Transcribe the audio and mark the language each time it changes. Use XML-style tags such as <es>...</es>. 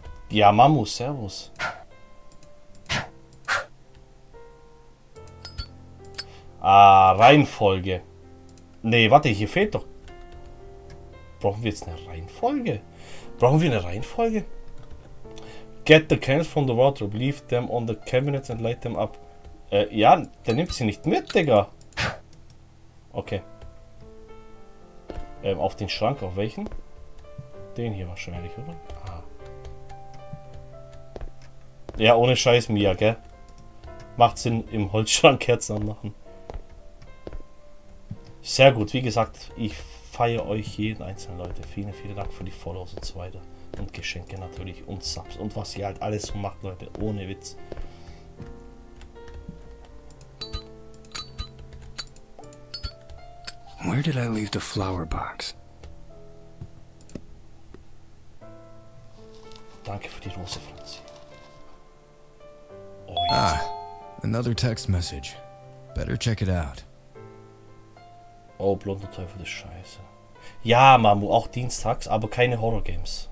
<de>Ja, Mamu, servus. Ah, Reihenfolge. Nee, warte, hier fehlt doch. Brauchen wir jetzt eine Reihenfolge? Brauchen wir eine Reihenfolge?</de> <en>Get the cans from the wardrobe, leave them on the cabinets and light them up.</en> <de>Ja, der nimmt sie nicht mit, Digga. Okay. Auf den Schrank, auf welchen? Den hier wahrscheinlich, oder? Ja, ohne Scheiß, Mia, gell? Macht Sinn, im Holzschrank Kerzen anmachen. Sehr gut, wie gesagt, ich feiere euch jeden einzelnen, Leute. Vielen, vielen Dank für die Follows und so weiter. Und Geschenke natürlich und Subs und was ihr halt alles so macht, Leute, ohne Witz.</de> <en>Where did I leave the flower box?</en> <de>Danke für die Rose, Franz.</de> <en>Ah, another text message. Better check it out.</en> <de>Oh, blonder Teufel des Scheiße. Ja, Mamu, auch dienstags, aber keine Horror-Games.</de>